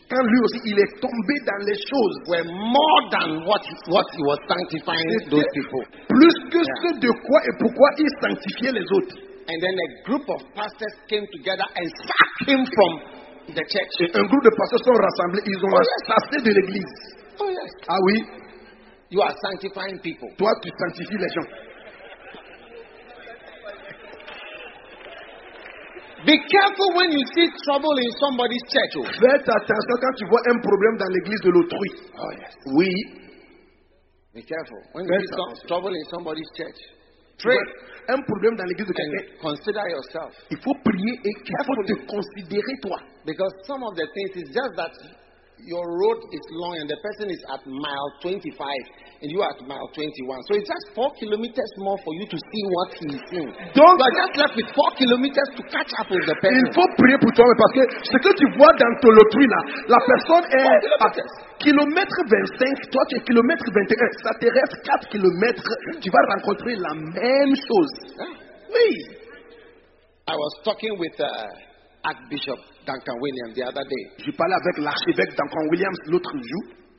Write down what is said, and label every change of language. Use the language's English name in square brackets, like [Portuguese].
[French] Quand lui aussi, il est tombé dans les choses. [English] Were more than what he was sanctifying those people. [French] Plus que ce de quoi et pourquoi il sanctifiait les autres. [English] And then a group of pastors came together and sacked him from the church. [French] Et un groupe de pasteurs sont rassemblés. Ils ont chassé de l'église. [English] Oh yes. [French] Ah oui. [English] You are sanctifying people. [French] Toi, tu sanctifies les gens. [English] Be careful when you see trouble in somebody's church. [French] Fais attention quand tu vois un problème dans l'église de l'autrui. [English] Oh yes. [French] Oui. [English] Be careful when you see trouble in somebody's church. Pray. [French] Un problème dans l'église de quelqu'un. [English] Consider yourself. [French] Il faut prier et carefully. Il faut te considérer toi. [English] Because some of the things is just that your road is long and the person is at mile 25 and you are at mile 21. So it's just 4 kilometers more for you to see what he is seeing. [French] Donc, [English] but just left with 4 kilometers to catch up with the person. [French] Il faut prier pour toi parce que ce que tu vois dans ton autrui là, la personne est à kilomètre 25, toi tu es kilomètre 21, ça te reste 4 kilomètres, tu vas rencontrer la même chose. Oui. [English] I was talking with Archbishop Duncan Williams the other day. [French] Je parlais avec l'archevêque Duncan Williams l'autre jour.